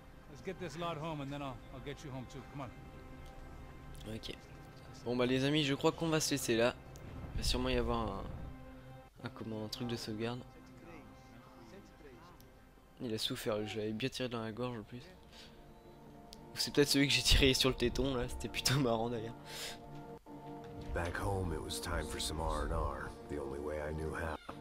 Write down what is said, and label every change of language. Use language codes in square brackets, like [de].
[en] Let's get this lot home and then I'll get you home too. Come on. Ok. [fr] Bon bah les amis, je crois qu'on va se laisser là. Il va sûrement y avoir un truc de sauvegarde. Il a souffert, j'avais bien tiré dans la gorge en plus. C'est peut-être celui que j'ai tiré sur le téton là, c'était plutôt marrant d'ailleurs. [en] Back home, it was time for some R&R, the only way I knew how.